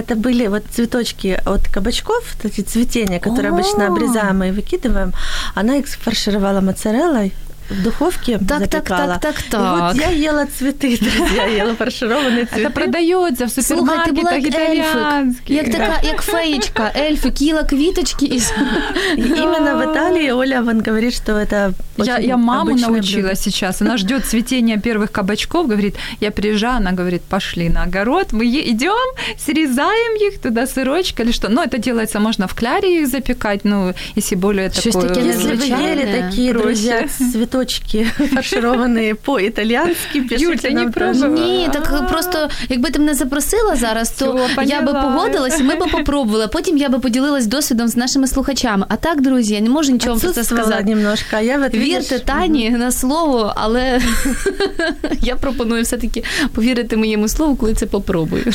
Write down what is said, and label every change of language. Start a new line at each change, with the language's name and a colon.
Russian: Это были вот цветочки от кабачков, эти цветения, которые обычно обрезаем и выкидываем. Она их фаршировала моцареллой. В духовке так, запекала. Так. И вот я ела цветы, друзья, ела фаршированные цветы. Это продается в супермаркетах итальянских.
Ukrainian: Як така, як феечка, эльфик, ела квіточки.
Russian: Именно в Италии Оля вон говорит, что это очень. Я маму научила сейчас. Она ждет цветения первых кабачков, говорит, я приезжаю, она говорит, пошли на огород, мы идем, срезаем их туда, сырочка или что. Ну, это делается, можно в кляре их запекать, ну, если более такое. Если вы ели такие, друзья, цветочки фаршированные по-итальянски, пишите нам.
Ukrainian: Ні, так просто, якби ти мене запросила зараз, то я би погодилась, ми би попробували, потім я би поділилась досвідом з нашими слухачами. А так, друзі, я не можу нічого про це сказати. Вірте Тані на слово, але я пропоную все-таки повірити моєму слову, коли це попробую.